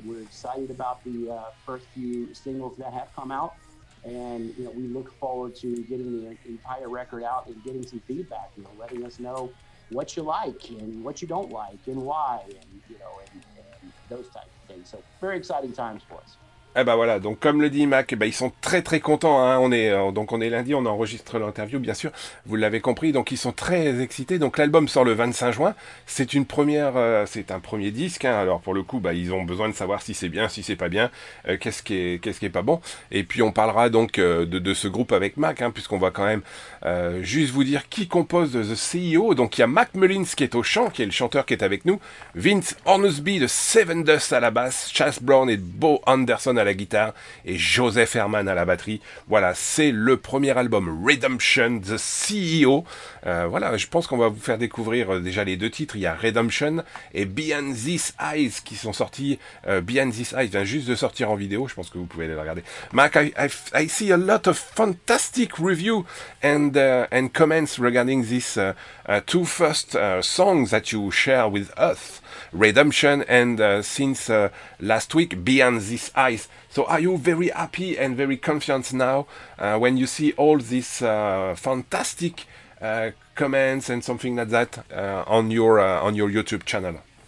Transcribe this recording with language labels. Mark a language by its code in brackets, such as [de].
[en] We're excited about the first few singles that have come out, and we look forward to getting the entire record out and getting some feedback. Letting us know what you like and what you don't like and why, and and those types of things. So very exciting times for us. [fr] Eh ben voilà, donc comme le dit Mac, ben ils sont très très contents, hein. On est lundi, on enregistre l'interview, bien sûr, vous l'avez compris, donc ils sont très excités. Donc l'album sort le 25 juin, c'est une première, c'est un premier disque, hein. Alors pour le coup, ben, ils ont besoin de savoir si c'est bien, si c'est pas bien, qu'est-ce qui est pas bon. Et puis on parlera donc de ce groupe avec Mac, hein, puisqu'on va quand même juste vous dire qui compose The CEO. Donc il y a Mac Mullins qui est au chant, qui est le chanteur qui est avec nous, Vince Hornsby de Seven Dust à la basse, Chas Brown et Bo Anderson à la guitare et Joseph Herman à la batterie. Voilà, c'est le premier album Redemption, The CEO. Voilà, je pense qu'on va vous faire découvrir déjà les deux titres. Il y a Redemption et Beyond These Eyes qui sont sortis. Beyond These Eyes vient juste de sortir en vidéo. Je pense que vous pouvez aller la regarder. [en] Mac, I see a lot of fantastic review and comments regarding this two first songs that you share with us. Redemption and since last week, Beyond These Eyes. So are you very happy and very confident now when you see all these fantastic comments and something like that on your YouTube channel?